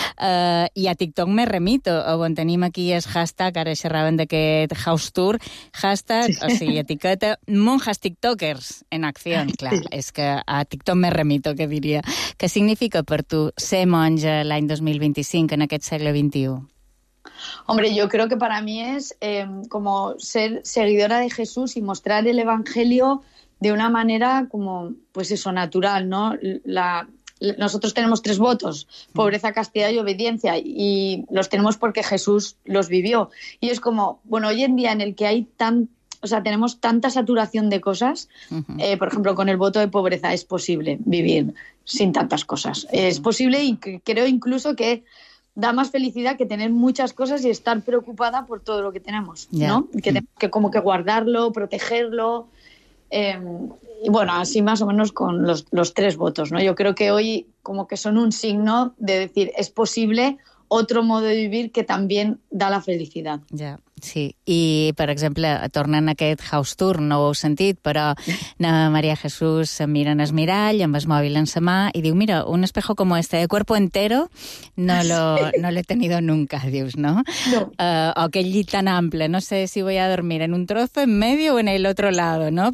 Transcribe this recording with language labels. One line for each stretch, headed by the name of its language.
Catalan: I a TikTok me remito, on tenim aquí el hashtag, ara xerraven d'aquest house tour, hashtag, sí. O sigui, etiqueta, monjas tiktokers en acció. Clar, sí. És que a TikTok me remito, que diria. Què significa per tu ser monja l'any 2025, en aquest segle XXI?
Spanish: Hombre, yo creo que para mí es como ser seguidora de Jesús y mostrar el Evangelio de una manera como, pues eso, natural, ¿no? Nosotros tenemos 3 votos, pobreza, castidad y obediencia, y los tenemos porque Jesús los vivió. Y es como, bueno, hoy en día en el que hay tenemos tanta saturación de cosas, por ejemplo, con el voto de pobreza es posible vivir sin tantas cosas. Es posible y creo incluso que da más felicidad que tener muchas cosas y estar preocupada por todo lo que tenemos, ¿no? Que tenemos que como que guardarlo, protegerlo. Y bueno, así más o menos con los 3 votos, ¿no? Yo creo que hoy como que son un signo de decir, es posible otro modo de vivir que también da la felicidad.
Catalan: Ja, sí. I, per exemple, tornant a aquest house tour, no ho heu sentit, però na Maria Jesús se mira en el mirall, amb el mòbil en la mà, i diu,
Spanish: mira, un espejo como este de cuerpo entero no l'he tenido nunca,
Catalan: dius, no?
Spanish: No.
Catalan: O aquell llit tan ample,
Spanish: no sé si voy a dormir en un trozo, en medio o en el otro lado, no?